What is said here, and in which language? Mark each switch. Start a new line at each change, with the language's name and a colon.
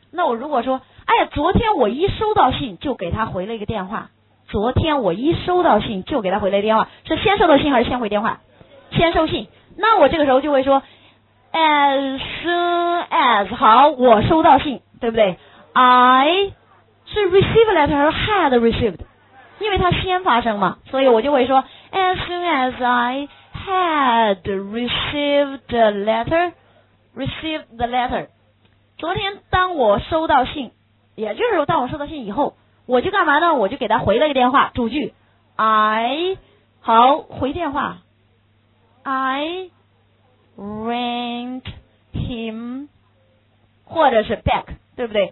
Chinese: 那我如果说，哎呀，昨天我一收到信就给他回了一个电话，昨天我一收到信就给他回了一个电话，是先收到信还是先回电话？先收信。那我这个时候就会说 as soon as， 好，我收到信，对不对？ I 是 receive letter 还是 had received？因为他先发生嘛，所以我就会说
English: as soon as I had received the letter，
Chinese: received the letter， 昨天当我收到信，也就是说当我收到信以后，我就干嘛呢？我就给他回了一个电话，主句 I， 好，回电话，
English: I rang him，
Chinese: 或者是 back， 对不对？